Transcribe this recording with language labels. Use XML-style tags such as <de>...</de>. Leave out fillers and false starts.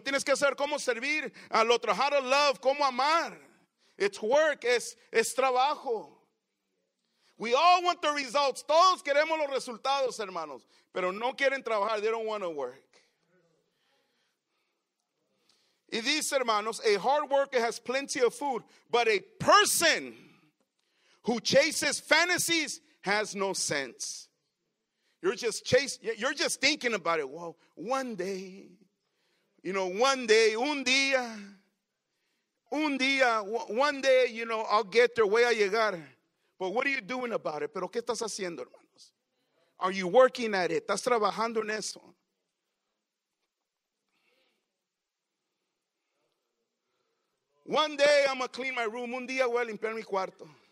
<es>Tienes que saber cómo servir al otro.</es> <en>How to love,</en> <es>cómo amar.</es> <en>It's work,</en> <es>es trabajo.</es> <en>We all want the results.</en> <es>Todos queremos los resultados, hermanos. Pero no quieren trabajar.</es> <en>They don't want to work.</en> <es>Y dice, hermanos,</es> <en>a hard worker has plenty of food, but a person who chases fantasies has no sense. You're just thinking about it. Well, one day, you know, one day,</en> <es>un día,</es> <en>one day, you know, I'll get there,</en> <es>voy a llegar.</es> <en>But what are you doing about it?</en> <es>Pero ¿qué estás haciendo, hermanos?</es> <en>Are you working at it?</en> <es>¿Estás trabajando en eso?</es> <en>One day I'm going to clean my room.</en> <es>Un día voy a limpiar mi cuarto.</es>